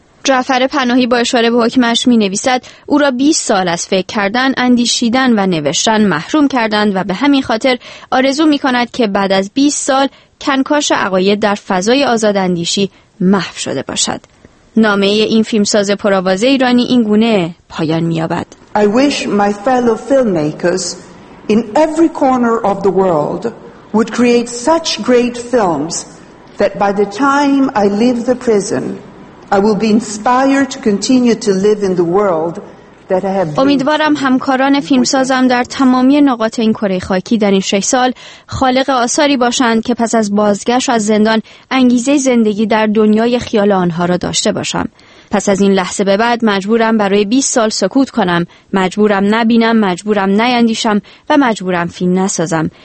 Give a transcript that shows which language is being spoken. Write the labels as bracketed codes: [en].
[fa] جعفر پناهی با اشاره به حکمش می نویسد او را 20 سال از فکر کردن، اندیشیدن و نوشتن محروم کردند و به همین خاطر آرزو می کند که بعد از 20 سال کنکاش عقاید در فضای آزاد اندیشی محو شده باشد. نامه این فیلمساز پرآوازه ایرانی این گونه پایان می یابد. [en] I wish my fellow filmmakers in every corner of the world would create such great films that by the time I leave the prison I will be inspired to continue to live in the world that I have. [fa] امیدوارم همکاران فیلمسازم در تمامی نقاط این کره خاکی در این 6 سال خالق آثاری باشند که پس از بازگشت از زندان انگیزه زندگی در دنیای خیال آنها را داشته باشم. پس از این لحظه به بعد مجبورم برای 20 سال سکوت کنم، مجبورم نبینم، مجبورم نیندیشم و مجبورم فیلم نسازم.